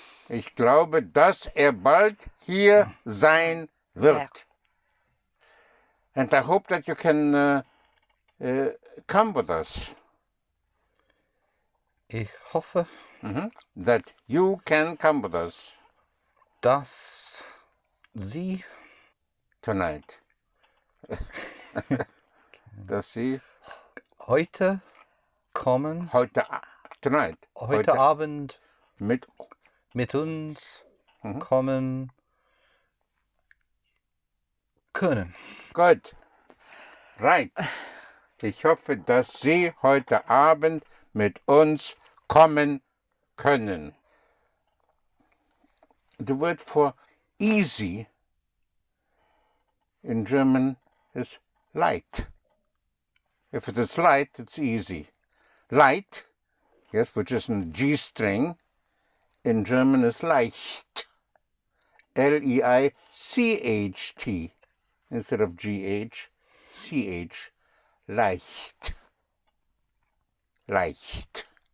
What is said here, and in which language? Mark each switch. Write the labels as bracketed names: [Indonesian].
[German] Ich glaube, dass er bald hier sein wird. Ja. [English] And I hope that you can come with us. [German] Ich hoffe, [English] that you can come with us. [German] Dass Sie [English] tonight. [German] Dass Sie heute kommen. Heute, tonight. Heute Abend. Mit uns kommen können. [English] Good. Right. Ich hoffe, dass Sie heute Abend mit uns kommen können. The word for easy in German is light. If it is light, it's easy. Light, yes, which is in G string, in German is leicht, L-E-I-C-H-T, instead of G-H, C-H, leicht, leicht.